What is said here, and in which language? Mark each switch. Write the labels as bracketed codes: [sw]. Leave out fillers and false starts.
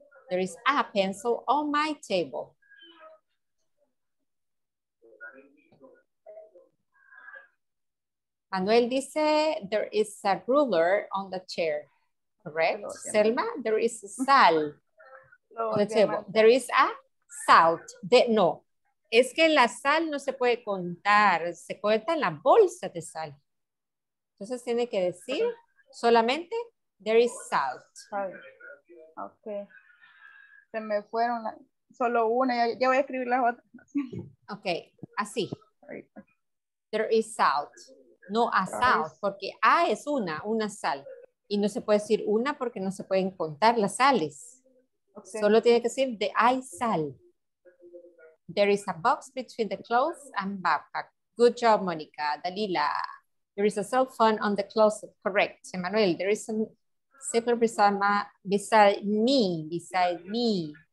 [en] There is a pencil on my table. [es] Manuel dice, [en] there is a ruler on the chair. Correct. Selma, there is a sal on the table. There is a salt. [es] No, es que la sal no se puede contar. Se cuenta en la bolsa de sal. Entonces tiene que decir solamente, [en] there is salt. [es] Ok. Se me fueron solo una. Ya voy a escribir las otras. [en] Ok, [es] así. [en] There is salt. [es] No a sal, porque A es una sal. Y no se puede decir una porque no se pueden contar las sales. Okay. Solo tiene que decir, hay sal. [en] There is a box between the clothes and backpack. Good job, Mónica. Dalila, there is a cell phone on the closet. Correct. Emmanuel, there is a cell phone beside me.